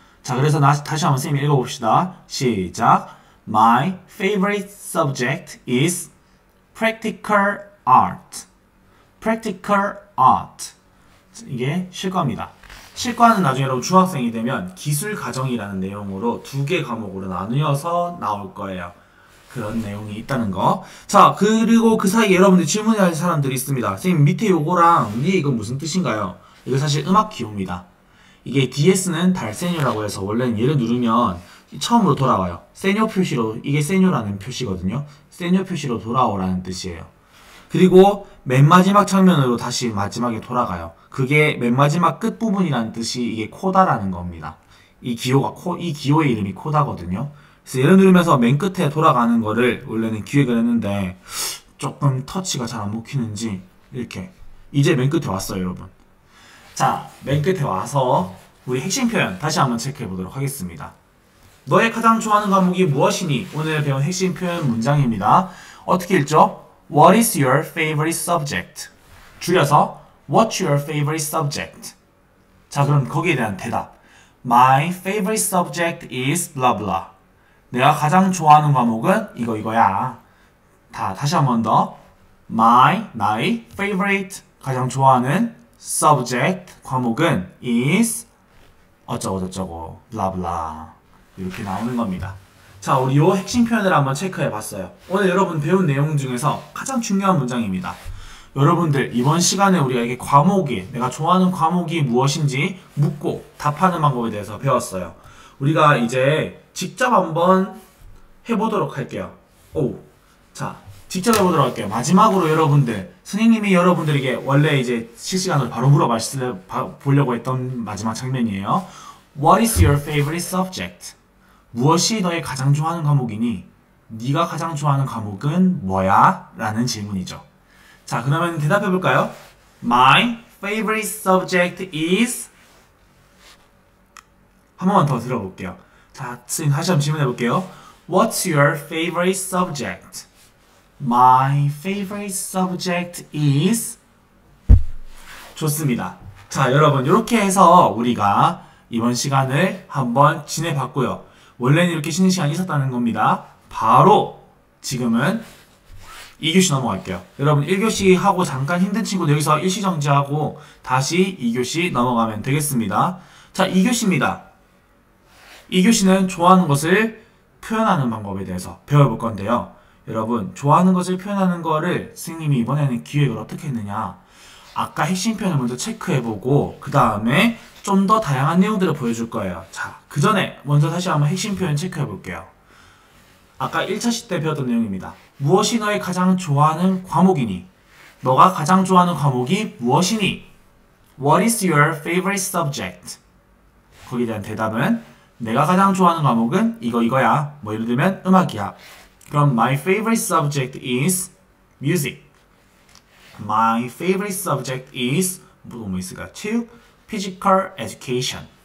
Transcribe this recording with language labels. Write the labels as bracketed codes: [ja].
[ko] 자, 그래서 다시 한번 선생님 읽어봅시다. 시작. [en] My favorite subject is practical art. Practical art. [ko] 이게 실과입니다. 실과는 나중에 여러분 중학생이 되면 기술과정이라는 내용으로 두개 과목으로 나누어서 나올 거예요. 그런 내용이 있다는 거. 자, 그리고 그 사이에 여러분들 질문할 사람들이 있습니다. 선생님, 밑에 요거랑 위에 이건 무슨 뜻인가요? 이거 사실 음악 기호입니다. 이게 DS는 달세뇨라고 해서 원래는 얘를 누르면 처음으로 돌아와요. 세뇨 표시로, 이게 세뇨라는 표시거든요. 세뇨 표시로 돌아오라는 뜻이에요. 그리고 맨 마지막 장면으로 다시 마지막에 돌아가요. 그게 맨 마지막 끝부분이라는 뜻이 이게 코다라는 겁니다. 이 기호의 이름이 코다거든요. 그래서 얘를 누르면서 맨 끝에 돌아가는 거를 원래는 기획을 했는데 조금 터치가 잘안 먹히는지 이렇게. 이제 맨 끝에 왔어요, 여러분. 자, 맨 끝에 와서 우리 핵심 표현 다시 한번 체크해 보도록 하겠습니다. 너의 가장 좋아하는 과목이 무엇이니? 오늘 배운 핵심 표현 문장입니다. 어떻게 읽죠? [en] What is your favorite subject? [ko] 줄여서 [en] What's your favorite subject? [ko] 자, 그럼 거기에 대한 대답. [en] My favorite subject is blah blah. [ko] 내가 가장 좋아하는 과목은 이거야. 다시 한번 더. 나의 favorite 가장 좋아하는 subject 과목은 is 어쩌고저쩌고 [en] blah blah [ko] 이렇게 나오는 겁니다. 자, 우리 요 핵심 표현을 한번 체크해 봤어요. 오늘 여러분 배운 내용 중에서 가장 중요한 문장입니다. 여러분들, 이번 시간에 우리가 이게 과목이, 내가 좋아하는 과목이 무엇인지 묻고 답하는 방법에 대해서 배웠어요. 우리가 이제 직접 한번 해보도록 할게요. 오. 자, 직접 해보도록 할게요. 마지막으로 여러분들, 선생님이 여러분들에게 원래 이제 실시간으로 바로 보려고 했던 마지막 장면이에요. [en] What is your favorite subject? [ko] 무엇이 너의 가장 좋아하는 과목이니? 네가 가장 좋아하는 과목은 뭐야? 라는 질문이죠. 자, 그러면 대답해 볼까요? [en] My favorite subject is [ko] 한 번만 더 들어볼게요. 자, 지금 다시 한번 질문해 볼게요. [en] What's your favorite subject? My favorite subject is [ko] 좋습니다. 자, 여러분, 이렇게 해서 우리가 이번 시간을 한번 지내봤고요. 원래는 이렇게 쉬는 시간이 있었다는 겁니다. 바로 지금은 2교시 넘어갈게요. 여러분, 1교시 하고 잠깐 힘든 친구는 여기서 일시정지하고 다시 2교시 넘어가면 되겠습니다. 자, 2교시입니다. 2교시는 좋아하는 것을 표현하는 방법에 대해서 배워볼 건데요. 여러분, 좋아하는 것을 표현하는 거를 선생님이 이번에는 기획을 어떻게 했느냐. 아까 핵심 표현을 먼저 체크해보고, 그 다음에 좀더 다양한 내용들을 보여줄 거예요. 자, 그 전에 먼저 다시 한번 핵심 표현 체크해볼게요. 아까 1차 시때 배웠던 내용입니다. 무엇이 너의 가장 좋아하는 과목이니? 너가 가장 좋아하는 과목이 무엇이니? [en] What is your favorite subject? [ko] 거기에 대한 대답은 내가 가장 좋아하는 과목은 이거 이거야. 뭐 예를 들면 음악이야. 그럼 [en] my favorite subject is music. My favorite subject is [ko] 뭐 있을까? 체육, [en] physical education.